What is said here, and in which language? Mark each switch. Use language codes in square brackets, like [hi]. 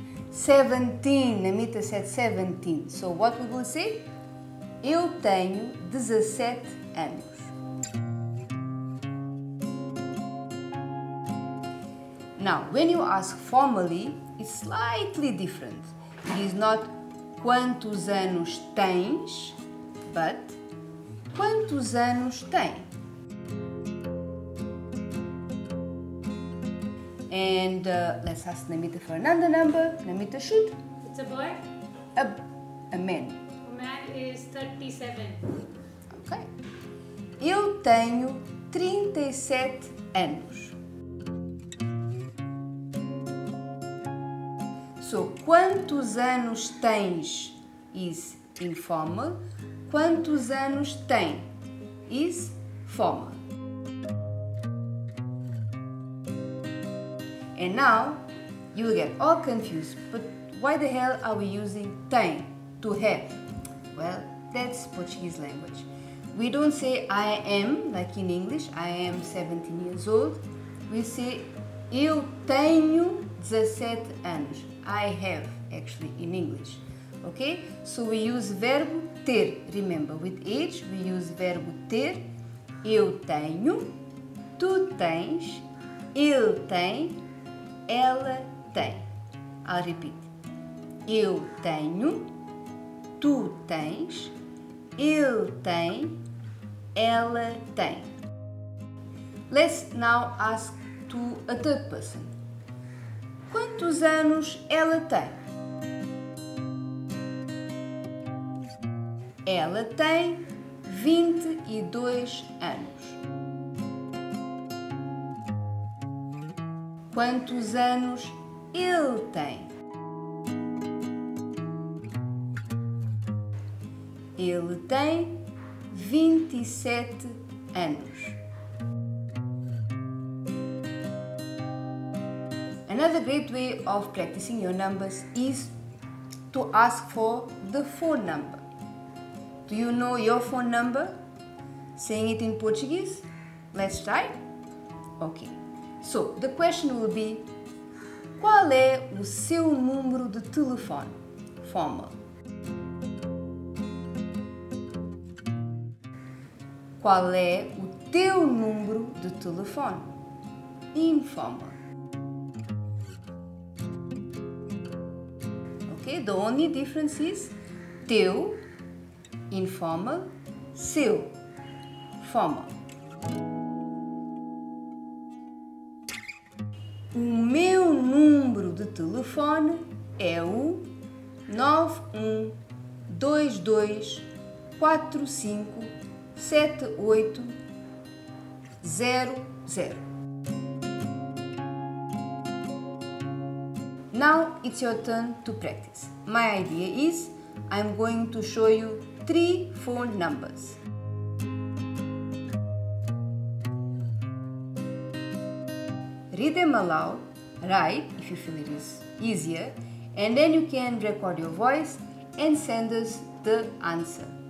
[en] 17, Namita said 17. So what we will say? [pt] Eu tenho 17 anos. [en] Now, when you ask formally, it's slightly different. It is not [pt] quantos anos tens, [en] but [pt] quantos anos tem? [en] And let's ask Namita for another number. Namita, shoot. It's a boy. A man. A man is 37. [pt] Okay. Eu tenho 37 anos. [en] So, [pt] quantos anos tens [en] is informal. [pt] Quantos anos tem [en] is formal. And now, you will get all confused, but why the hell are we using tem, to have? Well, that's Portuguese language. We don't say I am, like in English, I am 17 years old. We say [pt] eu tenho 17 anos, [en] I have, actually, in English. Okay, so we use [pt] verbo ter, [en] remember, with age, we use verbo ter. [pt] Eu tenho, tu tens, ele tem. Ela tem. [en] I'll repeat. [pt] Eu tenho, tu tens, ele tem, ela tem. [en] Let's now ask to a third person. [pt] Quantos anos ela tem? Ela tem 22 anos. Quantos anos ele tem? Ele tem 27 anos. [en] Another great way of practicing your numbers is to ask for the phone number. Do you know your phone number? Saying it in Portuguese? Let's try. Okay. So, the question will be, [pt] qual é o seu número de telefone? [en] Formal. [pt] Qual é o teu número de telefone? Informal. [en] Okay, the only difference is teu, informal, seu, formal. [pt] O meu número de telefone é o 912245-7800. [en] Now it's your turn to practice. My idea is I'm going to show you 3 phone numbers. Read them aloud, write if you feel it is easier, and then you can record your voice and send us the answer.